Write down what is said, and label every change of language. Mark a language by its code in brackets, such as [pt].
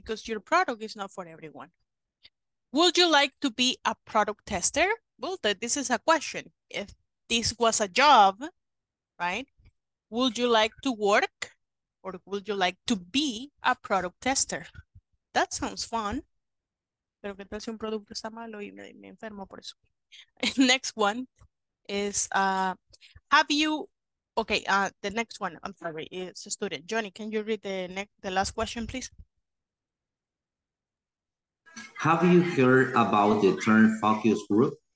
[en] Because your product is not for everyone. Would you like to be a product tester? Well, this is a question. If this was a job, right? Would you like to work or would you like to be a product tester? That sounds fun. [es] Pero que tal si un producto está malo y me enfermo por eso. [en] Next one is, the next one, I'm sorry, it's a student. Johnny, can you read the last question, please? Have you heard about the term focus group?